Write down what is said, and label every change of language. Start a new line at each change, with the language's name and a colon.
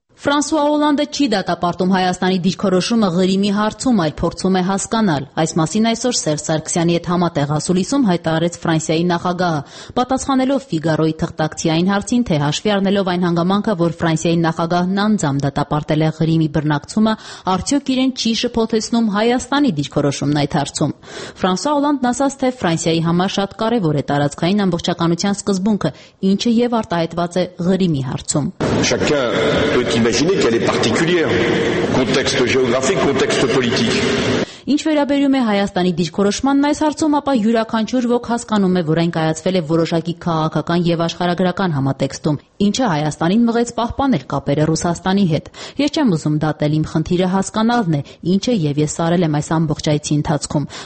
Armenian: Ֆրանսուա Օլանդը չի դատապարտում Հայաստանի դիրքորոշումը Ղրիմի հարցում, այլ փորձում է հասկանալ։ Այս մասին այսօր Սերժ Սարգսյանի հետ համատեղ ասուլիսում հայտարարեց Ֆրանսիայի նախագահը, պատասխանելով Ֆիգարոյի թղթակցիային հարցին, թե հաշվի առնելով այն հանգամանքը, որ Ֆրանսիայի նախագահն անձամբ դատապարտել է Ղրիմի բռնակցումը, արդյոք իրեն չի շփոթեցնում Հայաստանի դիրքորոշումն այդ հարցում։ Ֆրանսուա Օլանդն ասաց, թե Ֆրանսիայի համար շատ կարևոր է տարածքային ամբողջականության սկզբունքը, ինչը եւ արտահայտված է Ղրիմի հարցում։
French: Chacun peut imaginer qu'elle est particulière, contexte géographique, contexte politique.
Armenian: Ինչ վերաբերում է Հայաստանի դիրքորոշմանն այս հարցում, ապա յուրաքանչյուր ոք հասկանում է, որ այն կայացվել է որոշակի քաղաքական եւ աշխարհագրական համատեքստում, ինչը Հայաստանին մղեց պահպանել կապերը Ռուսաստանի հետ։ Ես չեմ ուզում դատել իմ խնդիրը հասկանալն է, ինչը եւ ես արել եմ այս ամբողջ այցի ընթացքում,